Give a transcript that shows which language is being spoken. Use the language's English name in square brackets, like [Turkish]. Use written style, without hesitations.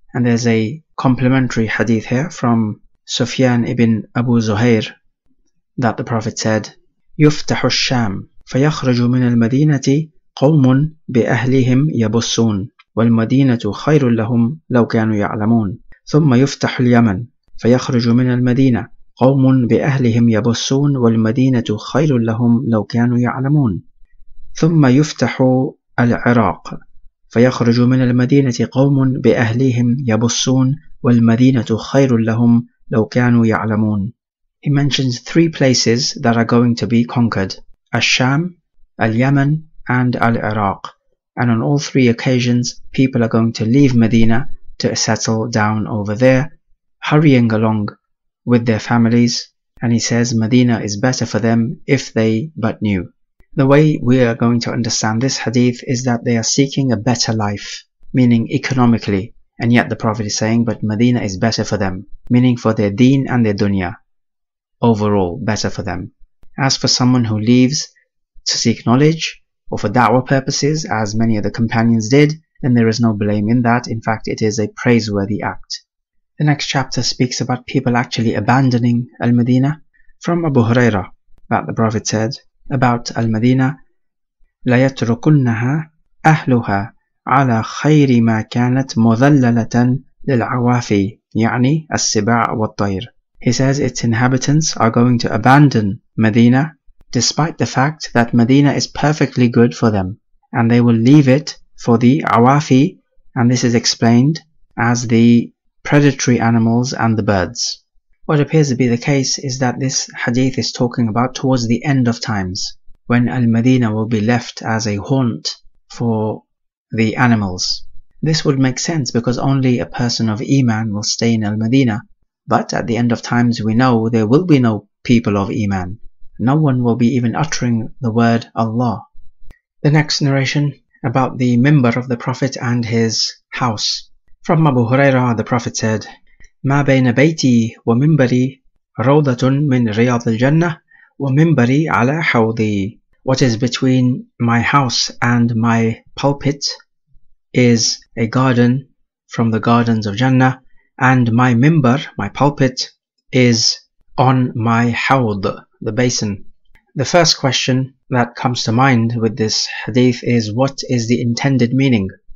[English] And there's a complimentary hadith here from Sufyan ibn Abu Zuhair that the Prophet said, [Arabic] يُفْتَحُ الشَّامِ فَيَخْرَجُ مِنَ الْمَدِينَةِ قَوْمٌ بِأَهْلِهِمْ يَبُسُّونَ وَالْمَدِينَةُ خَيْرٌ لَهُمْ لَوْ كَانُوا يَعْلَمُونَ. ثم يفتح اليمن فيخرج من المدينة قوم بأهلهم يبصون والمدينة خير لهم لو كانوا يعلمون. ثم يفتح العراق فيخرج من المدينة قوم بأهلهم يبصون والمدينة خير لهم لو كانوا يعلمون. [English] He mentions three places that are going to be conquered: Al-Sham, Al-Yaman, and Al-Iraq. And on all three occasions, people are going to leave Medina to settle down over there, hurrying along with their families. And he says Medina is better for them if they but knew. The way we are going to understand this hadith is that they are seeking a better life, meaning economically. And yet the Prophet is saying, but Medina is better for them, meaning for their deen and their dunya. Overall, better for them. As for someone who leaves to seek knowledge or for da'wah purposes, as many of the companions did, then there is no blame in that. In fact, it is a praiseworthy act. The next chapter speaks about people actually abandoning Al-Madinah. From Abu Huraira, that the Prophet said about Al-Madinah, [Arabic] لَيَتْرُكُنَّهَا أَهْلُهَا عَلَى خَيْرِ مَا كَانَتْ مُذَلَّلَةً لِلْعَوَافِي يعني السِّبَعَ وَالطَّيْرِ. [English] He says its inhabitants are going to abandon Medina despite the fact that Medina is perfectly good for them, and they will leave it for the awafi, and this is explained as the predatory animals and the birds. What appears to be the case is that this hadith is talking about towards the end of times, when Al-Madinah will be left as a haunt for the animals. This would make sense because only a person of Iman will stay in Al-Madinah. But at the end of times, we know there will be no people of Iman. No one will be even uttering the word Allah. The next narration about the minbar of the Prophet and his house. From Abu Huraira, the Prophet said, [Arabic] مَا بَيْنَ بَيْتِي وَمِنْبَرِي رَوْضَةٌ مِنْ رِيَاضِ الْجَنَّةِ وَمِنْبَرِي عَلَى حَوْضِي. [English] What is between my house and my pulpit is a garden from the gardens of Jannah. And my minbar, my pulpit, is on my hawd, the basin. The first question that comes to mind with this hadith is, what is the intended meaning?